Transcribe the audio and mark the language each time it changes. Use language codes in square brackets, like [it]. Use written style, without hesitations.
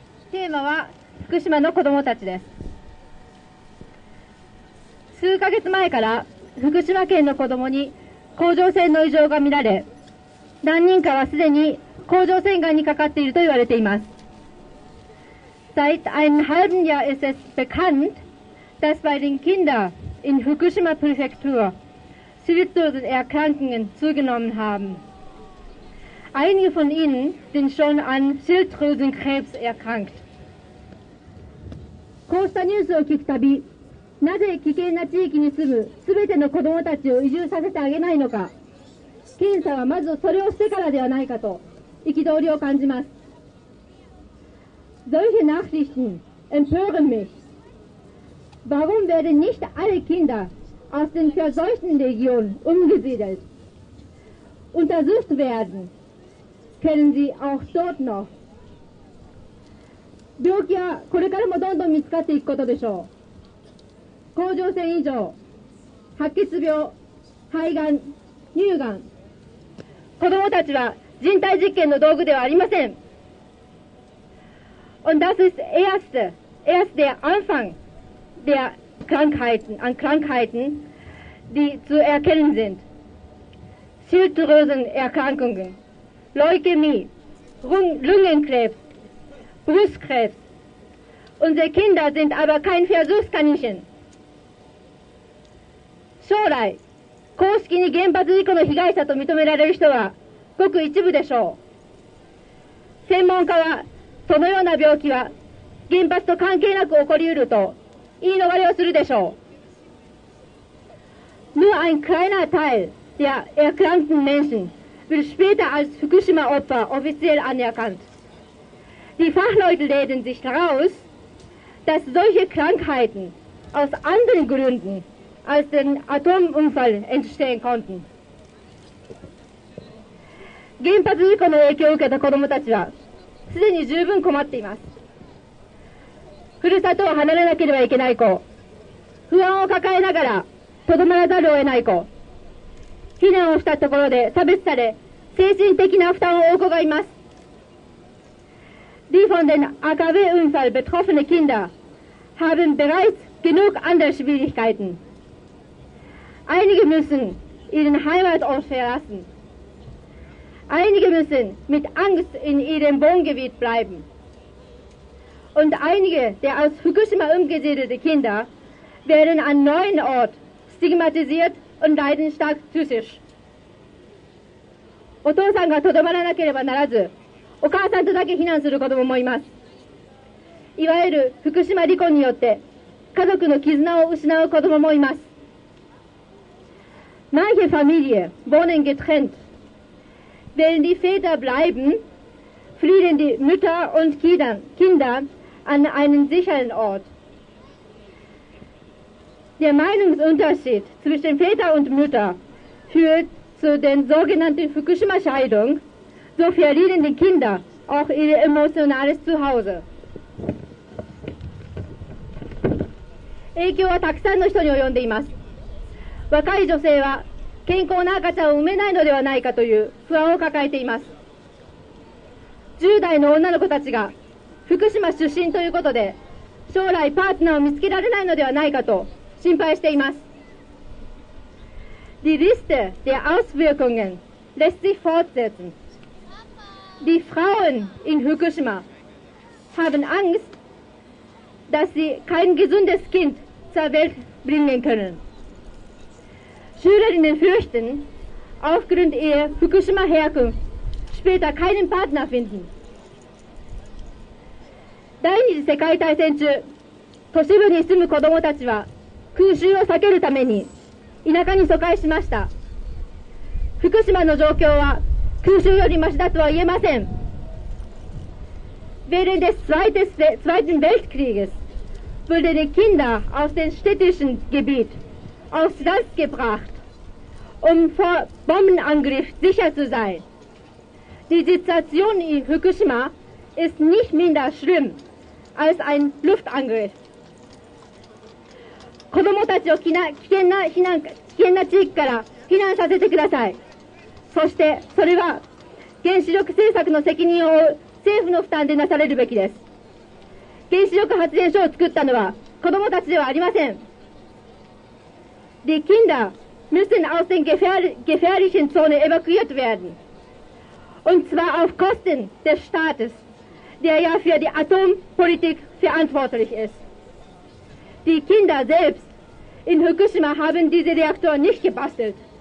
[ja] テーマは福島の子どもたちです。数ヶ月前から福島県の子どもに甲状腺の異常が見られ、何人かはすでに甲状腺がんにかかっていると言われています。 [de] Seit ein halben Jahr ist es bekannt, dass bei den Kindern in Fukushima Präfektur Schilddrüsenerkrankungen zugenommen haben. Einige von ihnen sind schon an Schilddrüsenkrebs erkrankt. [ja] こうしたニュースを聞くたび、なぜ危険な地域に住む全ての子どもたちを移住させてあげないのか、検査はまずそれをしてからではないかと憤りを感じます。 [de] Solche Nachrichten empören mich. Warum werden nicht alle Kinder aus den verseuchten Regionen umgesiedelt, untersucht werden, können sie auch dort noch. [ja] 病気はこれからもどんどん見つかっていくことでしょう。甲状腺異常、白血病、肺がん、乳がん。子どもたちは人体実験の道具ではありません。 [de] Und das ist erst der Anfang der Krankheiten, an Krankheiten,die zu erkennen sind. Schilddrüsenerkrankungen, Leukämie, Lungenkrebs, Brustkrebs. Unsere Kinder sind aber kein Versuchskaninchen. [ja] 将来、公式に原発事故の被害者と認められる人はごく一部でしょう。専門家は、そのような病気は原発と関係なく起こりうると言い逃れをするでしょう。 [de] Nur ein kleiner Teil der erkrankten Menschen wird später als Fukushima-Opfer offiziell anerkannt. Die Fachleute reden sich daraus, dass solche Krankheiten aus anderen Gründen als dem Atomunfall entstehen konnten. [ja] 原発事故の影響を受けた子どもたちはすでに十分困っています。ふるさとを離れなければいけない子、不安を抱えながらとどまらざるを得ない子、避難をしたところで差別され精神的な負担を負う子がいます。 [de] Die von den AKW-Unfall betroffene Kinder haben bereits genug andere Schwierigkeiten. Einige müssen ihren Heimatort verlassen. Einige müssen mit Angst in ihrem Wohngebiet bleiben. Und einige der aus Fukushima umgesiedelte Kinder werden an neuen Ort stigmatisiert und leiden stark psychisch. [ja] お父さんがとどまらなければならず、お母さんとだけ避難する子どももいます。いわゆる福島離婚によって家族の絆を失う子どももいます。 [de] Manche Familien wohnen getrennt. Wenn die Väter bleiben, fliehen die Mütter und Kinder an einen sicheren Ort. Der Meinungsunterschied zwischen Väter und Mütter führt zu den sogenannten Fukushima-Scheidung, so verlieren die Kinder auch ihr emotionales Zuhause. [ja] 影響はたくさんの人に及んでいます。若い女性は健康な赤ちゃんを産めないのではないかという不安を抱えています。 10代の女の子たちが福島出身ということで、将来パートナーを見つけられないのではないかと、心配しています。 [de] Die Liste der Auswirkungen lässt sich fortsetzen. Die Frauen in Fukushima haben Angst, dass sie kein gesundes Kind zur Welt bringen können. Schülerinnen fürchten, aufgrund ihrer Fukushima-Herkunft später keinen Partner finden. [ja] 第二次世界大戦中、都市部に住む子どもたちは空襲を避けるために田舎に疎開しました。福島の状況は空襲よりマシだとは言えません。 [de] Während des Zweiten Weltkrieges wurden die Kinder aus dem städtischen Gebiet aufs Land gebracht, um vor Bombenangriff sicher zu sein. Die Situation in Fukushima ist nicht minder schlimm. als ein Luftangriff. [ja] 子どもたちを危険な地域から避難させてください。そしてそれは原子力政策の責任を負う政府の負担でなされるべきです。原子力発電所を作ったのは子どもたちではありません。 [de] Die Kinder müssen aus den gefährlichen Zonen evakuiert werden. Und zwar auf Kosten des Staates. Der ja für die Atompolitik verantwortlich ist. Die Kinder selbst in Fukushima haben diese Reaktor nicht gebastelt.